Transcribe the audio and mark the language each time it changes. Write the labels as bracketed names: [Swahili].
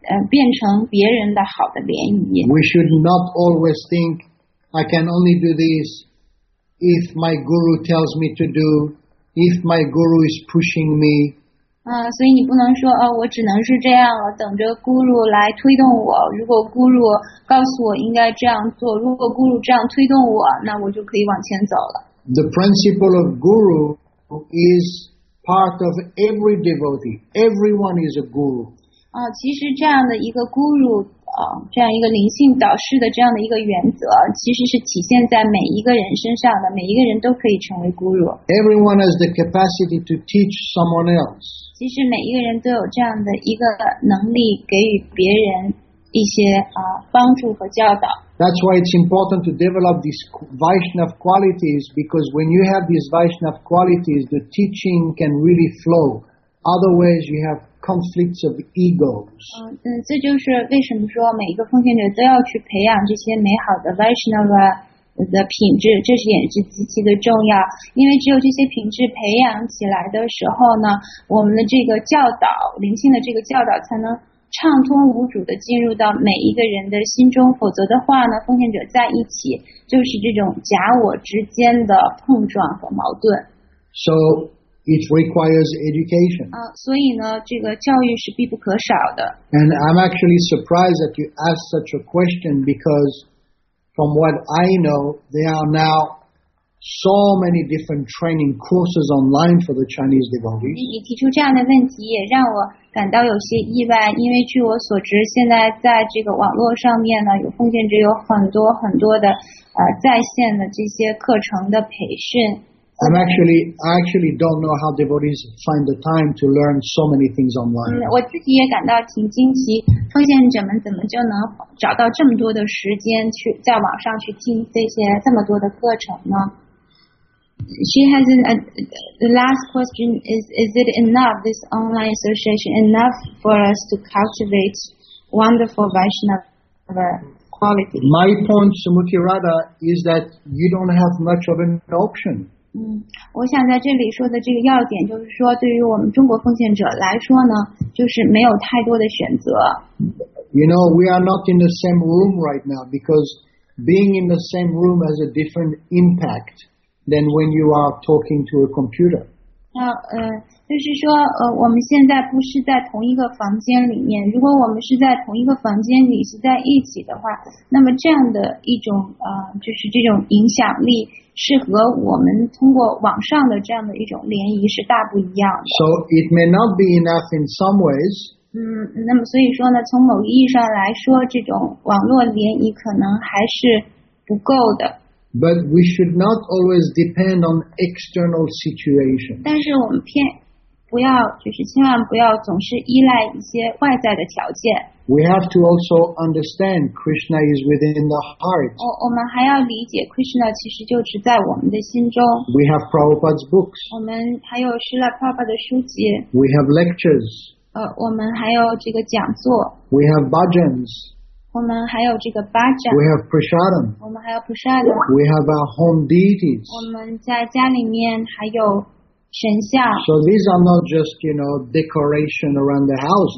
[Chinese] 变成别人的好的联谊。 [English] We should not always think I can only do this if my guru tells me to do, if my guru is pushing me. [Chinese] 所以你不能说我只能是这样了，等着 guru 来推动我。如果 guru 告诉我应该这样做，如果 guru 这样推动我，那我就可以往前走了。 [English] The principle of guru is part of every devotee. Everyone is a guru. [Chinese] 其实这样的一个 guru, 这样一个灵性导师的这样的一个原则，其实是体现在每一个人身上的，每一个人都可以成为 guru。 [English] Everyone has the capacity to teach someone else. [Chinese] 其实每一个人都有这样的一个能力，给予别人一些帮助和教导。 [English] That's why it's important to develop these Vaishnav qualities, because when you have these Vaishnav qualities, the teaching can really flow. Other ways you have conflicts of egos. [Chinese] 这就是为什么说每一个奉献者都要去培养这些美好的 Vaishnava 的品质，这是也是极其的重要。因为只有这些品质培养起来的时候呢，我们的这个教导，灵性的这个教导才能畅通无阻地进入到每一个人的心中，否则的话呢，奉献者在一起就是这种假我之间的碰撞和矛盾。 [English] So it requires education. [Chinese] 所以呢，这个教育是必不可少的。 [English] And I'm actually surprised that you ask such a question because from what I know, there are now so many different training courses online for the Chinese devotees. [Chinese] 你提出这样的问题也让我感到有些意外，因为据我所知，现在在这个网络上面呢，有奉献者有很多很多的在线的这些课程的培训。 [English] I actually don't know how devotees find the time to learn so many things online. [Chinese] 我自己也感到挺惊奇，奉献者们怎么就能找到这么多的时间去在网上去听这些这么多的课程呢？ [English] She has the last question is it enough, this online association, enough for us to cultivate wonderful Vaishnava quality? My point, Sumuti Radha, is that you don't have much of an option. [Chinese] 我想在这里说的这个要点就是说对于我们中国奉献者来说呢，就是没有太多的选择。 [English] You know, we are not in the same room right now because being in the same room has a different impact than when you are talking to a computer. [Chinese] 就是说我们现在不是在同一个房间里面，如果我们是在同一个房间里是在一起的话，那么这样的一种就是这种影响力是和我们通过网上的这样的一种联谊是大不一样的。 [English] So it may not be enough in some ways. [Chinese] 那么所以说呢，从某意义上来说，这种网络联谊可能还是不够的。 [English] But we should not always depend on external situations. [Chinese] 但是我们不要，就是千万不要总是依赖一些外在的条件。 [English] We have to also understand Krishna is within the heart. [Chinese] 我们还要理解 Krishna 其实就是在我们的心中。 [English] We have Prabhupada's books. [Chinese] 我们还有 Srila Prabhupada 的书籍。 [English] We have lectures. [Chinese] 我们还有这个讲座。 [English] We have bhajans. [Chinese] 我们还有这个巴掌。 [English] We have prasadam. [Chinese] 我们还有 prasadam. [English] We have our home deities. [Chinese] 我们在家里面还有神像。 [English] So these are not just, you know, decoration around the house.